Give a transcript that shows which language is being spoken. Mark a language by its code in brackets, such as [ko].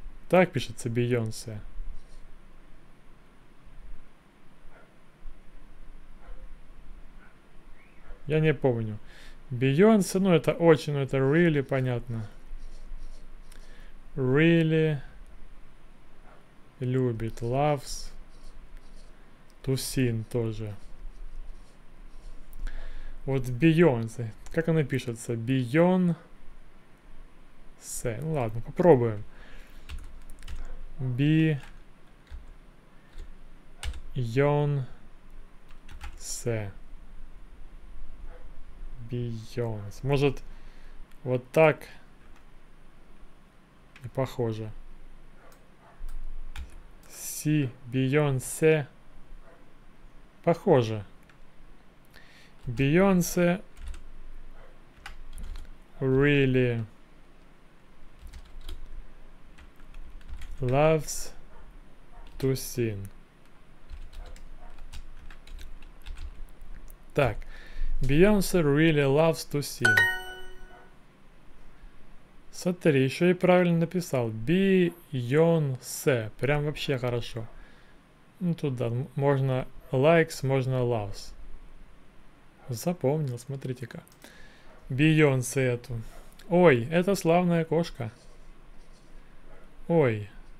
[ru] Так пишется Бейонсе. Я не помню. Beyonce, ну это очень, ну это really понятно. [en] Really [ru] любит, [en] loves to sing тоже. [ru] Вот Beyonce, как она пишется? Beyonce. Ну ладно, попробуем. Beyonce. Beyonce. Может, вот так и похоже. Си Бейонсе. Похоже. [en] Бейонсе really loves to sing. [ru] Так. [en] Beyonce really loves to sing. [ru] Смотри, еще и правильно написал. Beyonce. Прям вообще хорошо. Ну, тут да, можно likes, можно loves. Запомнил, смотрите-ка. Beyonce эту. Ой, это славная кошка. Ой.